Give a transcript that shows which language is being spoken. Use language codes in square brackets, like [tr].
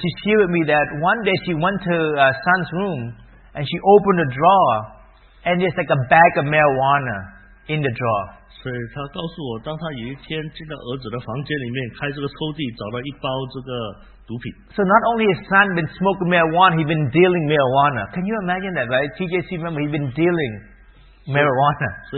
[en] she shared with me that one day she went to her son's room and she opened a drawer and there's like a bag of marijuana. In the drawer. [zh] 所以他告诉我，当他有一天进到儿子的房间里面，开这个抽屉，找到一包这个毒品。 [en] So not only his son been smoking marijuana, he's been dealing marijuana. Can you imagine that, right? TJC member, he's been dealing marijuana.